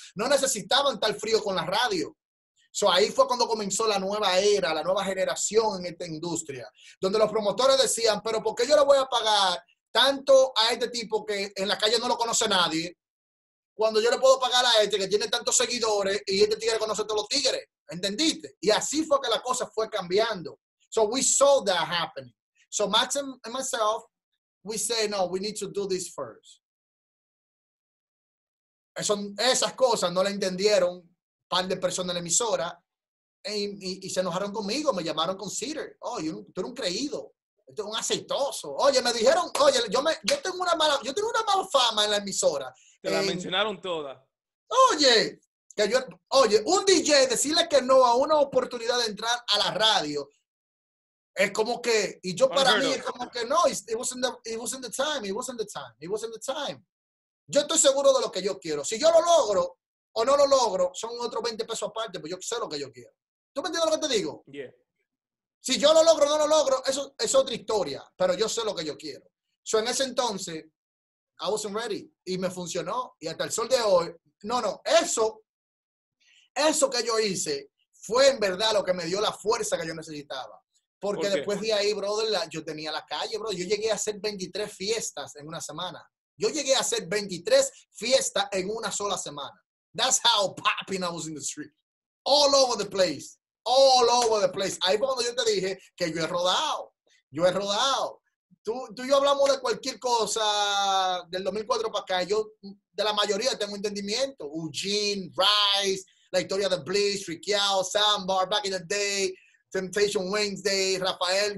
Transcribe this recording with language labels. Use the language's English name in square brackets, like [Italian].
[Spanish] No necesitaban tal frío con la radio. So, ahí fue cuando comenzó la nueva era, la nueva generación en esta industria, donde los promotores decían, pero ¿por qué yo le voy a pagar tanto a este tipo que en la calle no lo conoce nadie, cuando yo le puedo pagar a este que tiene tantos seguidores y este tigre conoce a todos los tigres? ¿Entendiste? Y así fue que la cosa fue cambiando. [English] So we saw that happening. So Max and myself, we say, no, we need to do this first. [Spanish] Esas cosas no la entendieron un par de personas en la emisora y se enojaron conmigo, me llamaron con Cedar. Oh, tú eres un creído. Esto es un aceitoso. Oye, me dijeron, oye, yo tengo una mala fama en la emisora. Te la mencionaron toda. Oye, un DJ decirle que no a una oportunidad de entrar a la radio es como que, y yo para mí es como que no, [English] it wasn't the time. [Spanish] Yo estoy seguro de lo que yo quiero. Si yo lo logro o no lo logro, son otros 20 pesos aparte, pues yo sé lo que yo quiero. ¿Tú me entiendes lo que te digo? [English] Yeah. [Spanish] Si yo lo logro o no lo logro, eso es otra historia, pero yo sé lo que yo quiero. So en ese entonces, [English] I wasn't ready [Spanish] y me funcionó y hasta el sol de hoy, eso que yo hice fue en verdad lo que me dio la fuerza que yo necesitaba. Porque después de ahí, brother, yo tenía la calle, brother. Yo llegué a hacer 23 fiestas en una semana. [English] That's how popping I was in the street. All over the place. [Spanish] Ahí fue cuando yo te dije que yo he rodado. Tú y yo hablamos de cualquier cosa del 2004 para acá. Yo de la mayoría tengo entendimiento. Eugene, Rice, la historia de Bleach, Riquiao, Sambar, Back in the Day, Temptation Wednesday, Rafael.